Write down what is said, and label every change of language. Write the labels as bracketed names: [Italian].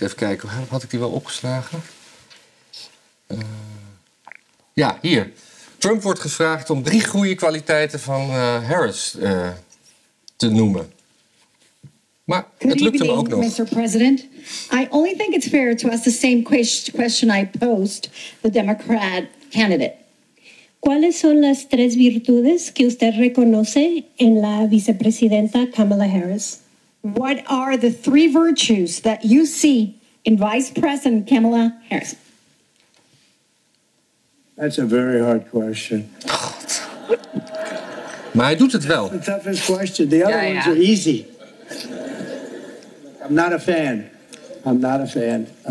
[Dutch] Even kijken, had ik die wel opgeslagen? Hier. Trump wordt gevraagd om 3 goede kwaliteiten van Harris te noemen. Maar het lukt hem ook nog. [English] Mr. President, I only think it's fair to ask the same question I posed the Democrat candidate. [Spanish] ¿Cuáles son las 3 virtudes que usted reconoce en la vicepresidenta Kamala Harris? [English] What are the three virtues that you see in Vice President Kamala Harris? That's a very hard question. [Dutch] Maar hij doet het wel. [English] That's the toughest question. The other ones are easy. I'm not a fan. I'm not a fan.